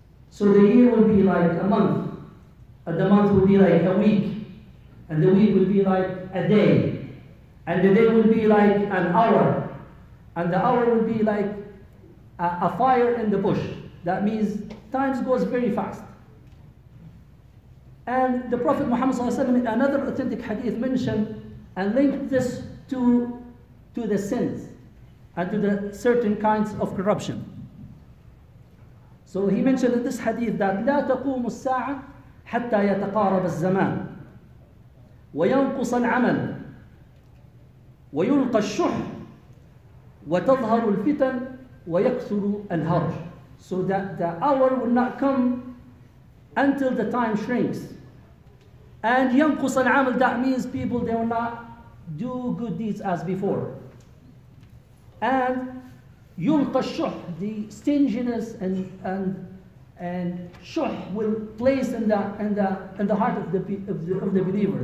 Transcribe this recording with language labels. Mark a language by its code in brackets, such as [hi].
[en] So the year will be like a month, and the month will be like a week, and the week will be like a day, and the day will be like an hour, and the hour will be like a fire in the bush. That means time goes very fast. And the Prophet Muhammad sallallahu alaihi wasallam, another authentic hadith, mentioned and linked this to the sins and to the certain kinds of corruption. So he mentioned in this hadith that [ar] لا تقوم الساعة حتى يتقارب الزمان وينقص العمل ويلقى الشح وتظهر الفتن ويكثر الهرج. [en] So that the hour will not come until the time shrinks. And [ar] ينقص العمل, [en] that means people, they will not do good deeds as before. And [ar] يلقى الشح, [en] the stinginess and شح will place in the heart of the believer.